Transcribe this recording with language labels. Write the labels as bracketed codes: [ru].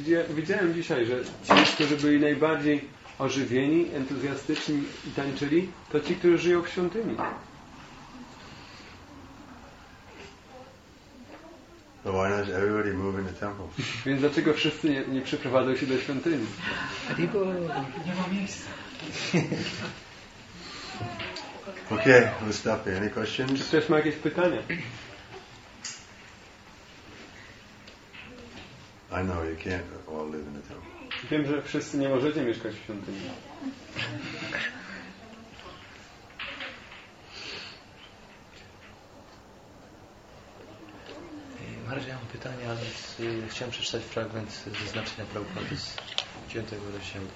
[pl] Widziałem dzisiaj, że ci, którzy byli najbardziej ożywieni, entuzjastyczni i tańczyli, to ci, którzy żyją w świątyni. [en] So why does everybody move in the temple? [pl] Więc dlaczego wszyscy nie przeprowadzą się do świątyni? Nie ma miejsca. [en] Okay, we'll stop here. Any questions? [pl] Czy ktoś ma jakieś pytania? [en] I know you can't all live in a temple. [pl] Wiem, że wszyscy nie możecie mieszkać w świątyni. Marzia, mam pytanie, ale chciałem przeczytać fragment ze znaczenia Prabhupady z 9 rozdziału.